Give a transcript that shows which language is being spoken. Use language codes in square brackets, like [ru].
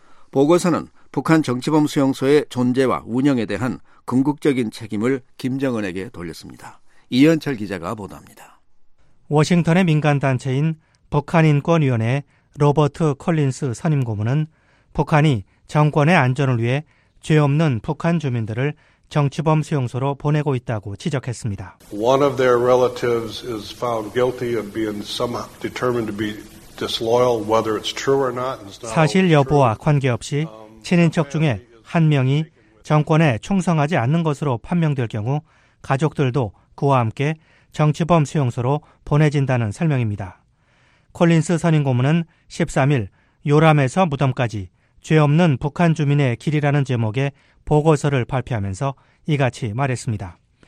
[ko] 보고서는 북한 정치범 수용소의 존재와 운영에 대한 궁극적인 책임을 김정은에게 돌렸습니다. 이현철 기자가 보도합니다. 워싱턴의 민간단체인 북한인권위원회 로버트 콜린스 선임고문은 북한이 정권의 안전을 위해 죄 없는 북한 주민들을 정치범 수용소로 보내고 있다고 지적했습니다. [en] One of their relatives is found guilty of being somehow determined to be disloyal, whether it's true or not. [ko] 사실 여부와 관계없이 친인척 중에 한 명이 정권에 충성하지 않는 것으로 판명될 경우 가족들도 그와 함께 정치범 수용소로 보내진다는 설명입니다. 콜린스 선임 고문은 13일 요람에서 무덤까지 죄 없는 북한 주민의 길이라는 제목의 보고서를 발표하면서 이같이 말했습니다.